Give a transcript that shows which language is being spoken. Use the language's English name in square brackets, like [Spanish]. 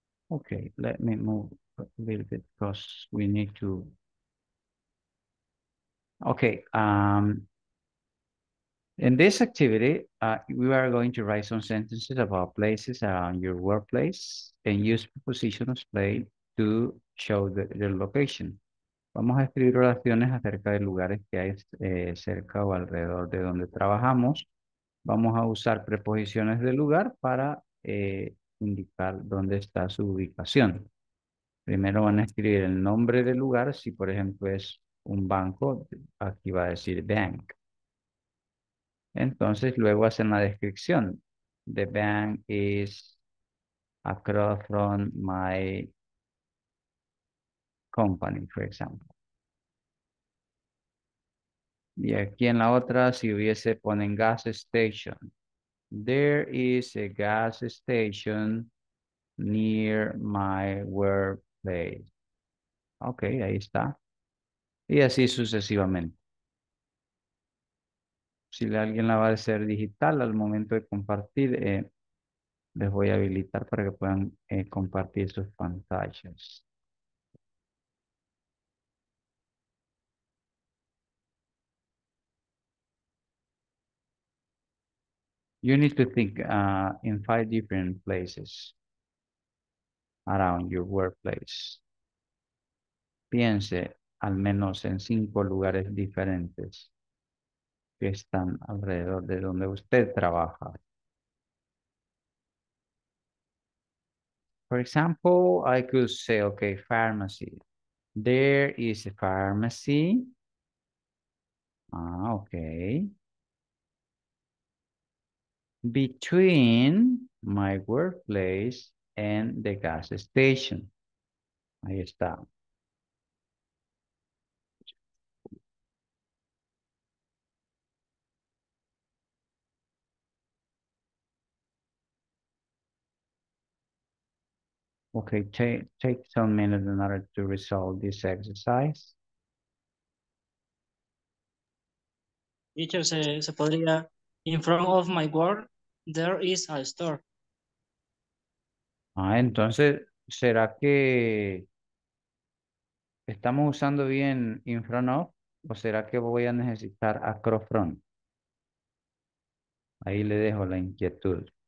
[English] Okay, let me move a little bit because we need to. Okay, in this activity, we are going to write some sentences about places around your workplace and use preposition of play to show the location. [Spanish] Vamos a escribir oraciones acerca de lugares que hay cerca o alrededor de donde trabajamos. Vamos a usar preposiciones de lugar para indicar dónde está su ubicación. Primero van a escribir el nombre del lugar. Si, por ejemplo, es un banco, aquí va a decir bank. Entonces, luego hacen la descripción. [English] The bank is across from my company, for example. [Spanish] Y aquí en la otra, si hubiese, ponen gas station. [English] There is a gas station near my workplace. [Spanish] Ok, ahí está. Y así sucesivamente. Si alguien la va a hacer digital al momento de compartir, les voy a habilitar para que puedan compartir sus pantallas. [English] You need to think in five different places around your workplace. [Spanish] Piense al menos en cinco lugares diferentes que están alrededor de donde usted trabaja. [English] For example, I could say, okay, pharmacy. There is a pharmacy. Okay. Between my workplace and the gas station. [Spanish] Ahí está. [English] Okay, take some minutes in order to resolve this exercise. [Spanish] Teacher, se podría. [English] In front of my work, there is a store. [Spanish] Ah, entonces, ¿será que estamos usando bien in front of? ¿O será que voy a necesitar across from? Ahí le dejo la inquietud.